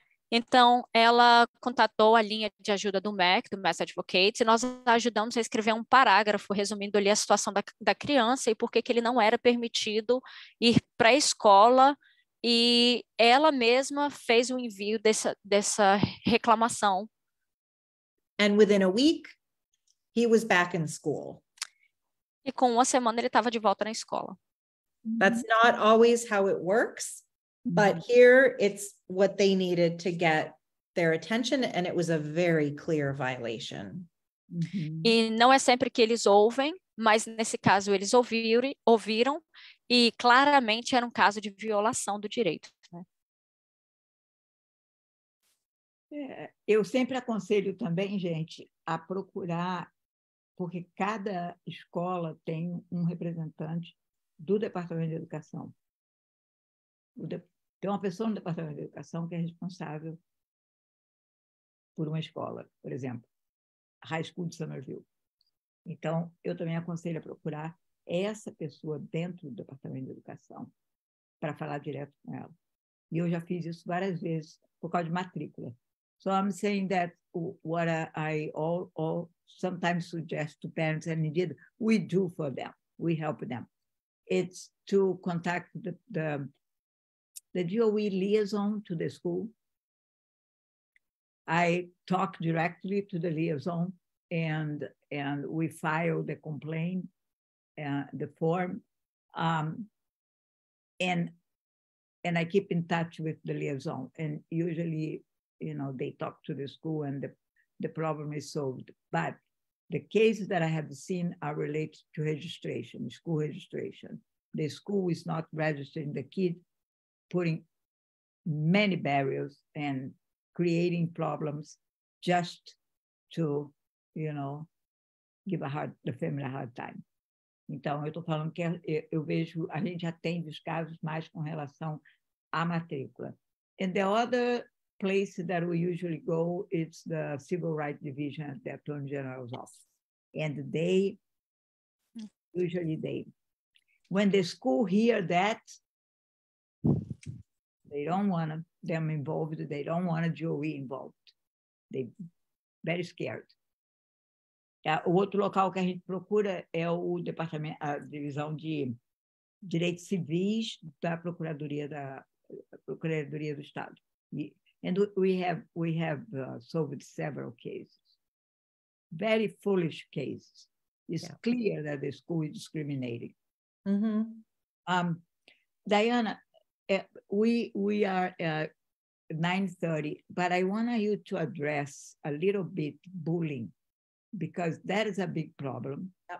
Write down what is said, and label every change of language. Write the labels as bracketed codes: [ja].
[pt] Então, ela contatou a linha de ajuda do MEC, do Mass Advocates, e nós ajudamos a escrever um parágrafo resumindo ali a situação da criança e por que ele não era permitido ir para a escola. E ela mesma fez o envio dessa reclamação. [en] And within a week, he was back in school. [pt] E com uma semana ele estava de volta na escola. [en] That's not always how it works, but here it's what they needed to get their attention, and it was a very clear violation. [pt] E não é sempre que eles ouvem, mas nesse caso eles ouviram, e claramente era um caso de violação do direito. Eu sempre aconselho também, gente, a procurar, porque cada escola tem um representante do Departamento de Educação. Tem uma pessoa no Departamento de Educação que é responsável por uma escola, por exemplo, High School de Somerville. Então, eu também aconselho a procurar essa pessoa dentro do Departamento de Educação para falar direto com ela. E eu já fiz isso várias vezes por causa de matrícula. [en] So I'm saying that what I all sometimes suggest to parents, and indeed we do for them, we help them, it's to contact the DOE liaison to the school. I talk directly to the liaison and we file the complaint, the form, and I keep in touch with the liaison, and usually, you know, they talk to the school and the problem is solved. But the cases that I have seen are related to registration, school registration. The school is not registering the kid, putting many barriers and creating problems just to, you know, give the family a hard time. [pt] Então, eu tô falando que eu vejo, a gente atende os casos mais com relação à matrícula. [en] And the other place that we usually go, it's the Civil Rights Division at the Attorney General's office. And they, usually they, when the school hear that, they don't want them involved, they don't want a DOE involved. They very scared. [pt] O outro local que a gente procura é o departamento, a divisão de direitos civis da Procuradoria do Estado. [en] And we have solved several cases, very foolish cases. It's clear that the school is discriminating. Mm-hmm. Diana, we are at 9:30, but I want you to address a little bit bullying, because that is a big problem.